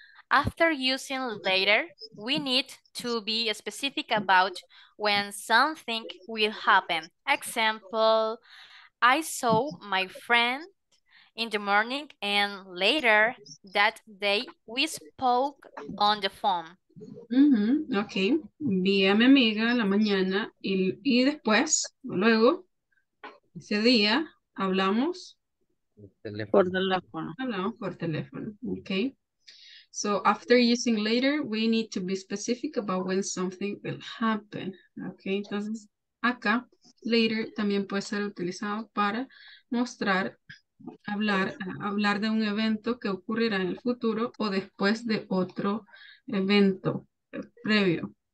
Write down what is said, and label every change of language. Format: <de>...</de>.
<en>After using later, we need to be specific about when something will happen. Example, I saw my friend in the morning and later that day we spoke on the phone.</en> <es>Okay, vi a mi amiga en la mañana y después, luego, ese día hablamos por teléfono. Hablamos por teléfono, okay.</es> <en>So after using later, we need to be specific about when something will happen.</en> <es>Okay, entonces acá,</es> <en>later</en> <es>también puede ser utilizado para mostrar hablar de un evento que ocurrirá en el futuro o después de otro evento previo.</es>